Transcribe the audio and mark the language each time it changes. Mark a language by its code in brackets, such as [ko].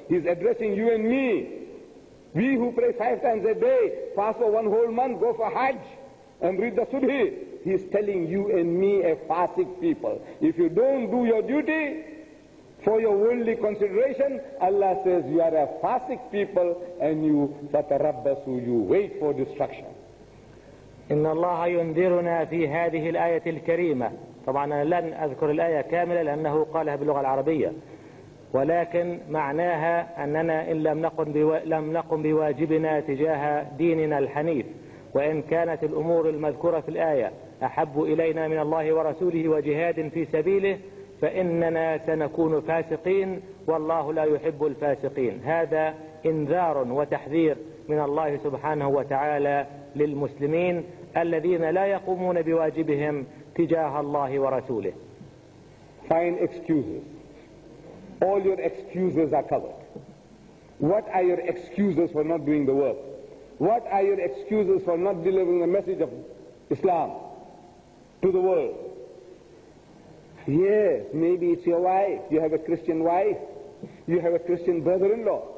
[en] He's addressing you and me. We who pray five times a day, fast for one whole month, go for Hajj and read the Subhi. He's telling you and me, a fasik people. If you don't do your duty for your worldly consideration, Allah says you are a fasik people and you fatarabbasu, you wait for destruction. [ar] إن الله ينذرنا في هذه الآية الكريمة. طبعا أنا لن أذكر الآية كاملة لأنه قالها باللغة العربية. ولكن معناها أننا إن لم نقم بواجبنا تجاه ديننا الحنيف، وإن كانت الأمور المذكورة في الآية أحب إلينا من الله ورسوله وجهاد في سبيله، فإننا سنكون فاسقين والله لا يحب الفاسقين. هذا إنذار وتحذير من الله سبحانه وتعالى للمسلمين الذين لا يقومون بواجبهم تجاه الله ورسوله. [en] Fine excuses. All your excuses are covered. What are your excuses for not doing the work? What are your excuses for not delivering the message of Islam to the world? Yes, maybe it's your wife. You have a Christian wife. You have a Christian brother-in-law.